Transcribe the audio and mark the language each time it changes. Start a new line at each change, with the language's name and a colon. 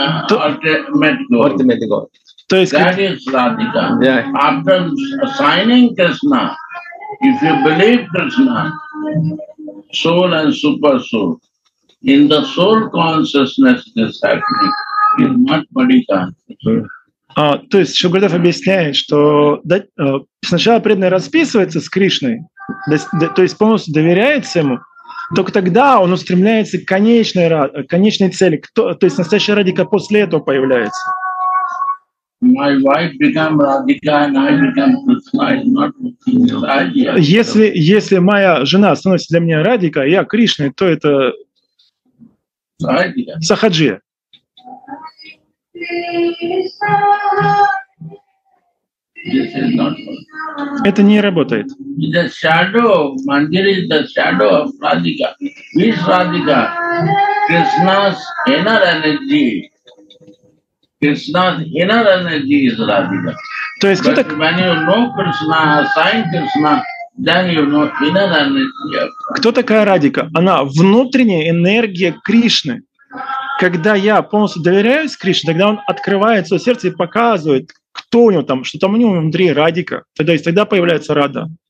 English: Ultimate goal. That is Radhika. Yeah. After signing Krishna, if you believe Krishna, soul and super soul, in the soul consciousness is happening.
Russian: То есть Шугурдев объясняет, что сначала преданный расписывается с Кришной, то есть полностью доверяется ему, только тогда он устремляется к конечной цели, то есть настоящая Радика после этого появляется.
English: My wife became Radhika and I became Krishna. It's not Radhika.
Russian: Если моя жена становится для меня Радика, я Кришна, то это Радика. Сахаджи. Это не работает.
English: The shadow, Manjari is the shadow of Radhika. Which Radhika? Krishna's inner energy. Krishna's inner energy is Radhika.
Russian: То есть
English: but when you know Krishna, assign Krishna, then you know inner energy.
Russian: Кто такая Радика? Она внутренняя энергия Кришны. Когда я полностью доверяюсь Кришне, тогда он открывает свое сердце и показывает, кто у него там, что там у него внутри Радика. Тогда есть тогда появляется Рада.